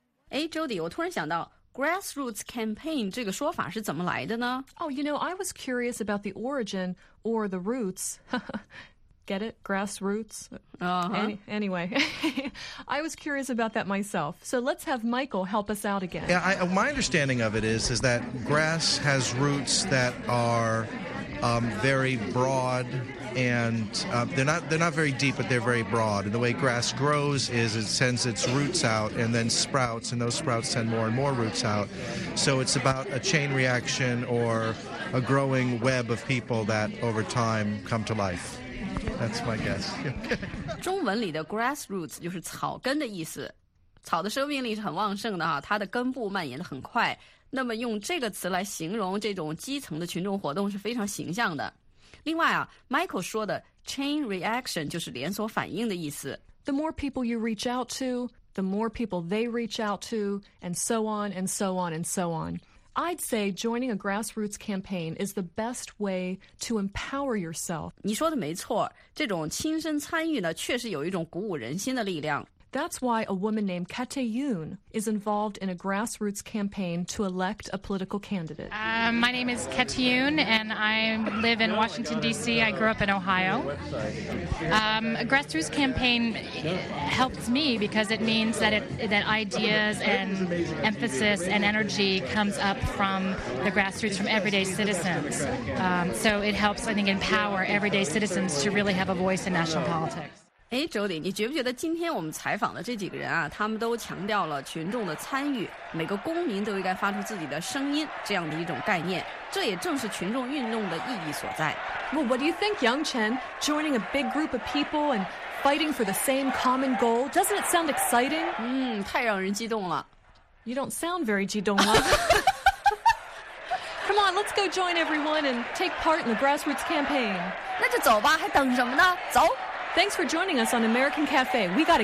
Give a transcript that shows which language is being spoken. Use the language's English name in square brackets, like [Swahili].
[Chinese] Hey, Jody, 我突然想到 grassroots campaign 这个说法是怎么来的呢 [English] ？Oh, you know, I was curious about the origin or the roots. Get it? Grassroots? Anyway, I was curious about that myself. So let's have Michael help us out again. Yeah, my understanding of it is that grass has roots that are very broad and they're not very deep, but they're very broad. And the way grass grows is it sends its roots out and then sprouts, and those sprouts send more and more roots out. So it's about a chain reaction or a growing web of people that over time come to life. That's my guess. [Chinese] 中文里的 grassroots 就是草根的意思，草的生命力是很旺盛的哈，它的根部蔓延的很快。那么用这个词来形容这种基层的群众活动是非常形象的。另外啊 ，Michael 说的 chain reaction 就是连锁反应的意思。 [English] The more people you reach out to, the more people they reach out to, and so on and so on and so on. I'd say joining a grassroots campaign is the best way to empower yourself. [Chinese] 你说的没错，这种亲身参与呢，确实有一种鼓舞人心的力量。 [English] That's why a woman named Kate Yoon is involved in a grassroots campaign to elect a political candidate. My name is Kate Yoon, and I live in Washington, D.C. I grew up in Ohio. A grassroots campaign helps me because it means that, that ideas and emphasis and energy comes up from the grassroots, from everyday citizens. So it helps, I think, empower everyday citizens to really have a voice in national politics. [Chinese] 哎 ，Jody， 你觉不觉得今天我们采访的这几个人啊，他们都强调了群众的参与，每个公民都应该发出自己的声音这样的一种概念，这也正是群众运动的意义所在。 [English] Well, what do you think, Yang Chen? Joining a big group of people and fighting for the same common goal, doesn't it sound exciting? [Chinese] 嗯，太让人激动了。 [English] You don't sound very [Chinese] 激动了。 [English] Come on, let's go join everyone and take part in the grassroots campaign. [Chinese] 那就走吧，还等什么呢？走。 [English] Thanks for joining us on American Cafe. We gotta get-